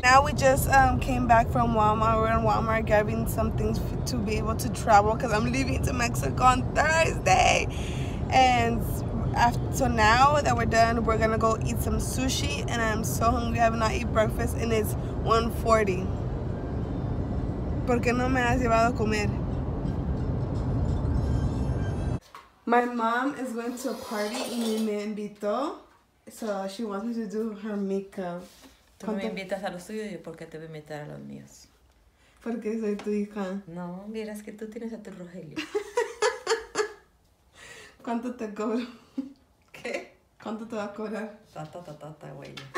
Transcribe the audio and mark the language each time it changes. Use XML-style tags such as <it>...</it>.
<en>Now we just came back from Walmart. We're in Walmart grabbing some things to be able to travel because I'm leaving to Mexico on Thursday. And so now that we're done, we're gonna go eat some sushi. And I'm so hungry, I have not eaten breakfast, and it's 1:40.</en> <es>¿Por qué no me has llevado a comer?</es> <en>My mom is going to a party and</en> <es>me invitó.</es> <en>So she wants me to do her makeup.</en> <es>Tú me invitas a los tuyos y yo, ¿por qué te voy a invitar a los míos? Porque soy tu hija. No, vieras que tú tienes a tu Rogelio. ¿Cuánto te cobro? ¿Qué? ¿Cuánto te va a cobrar? Tata, güey.</es>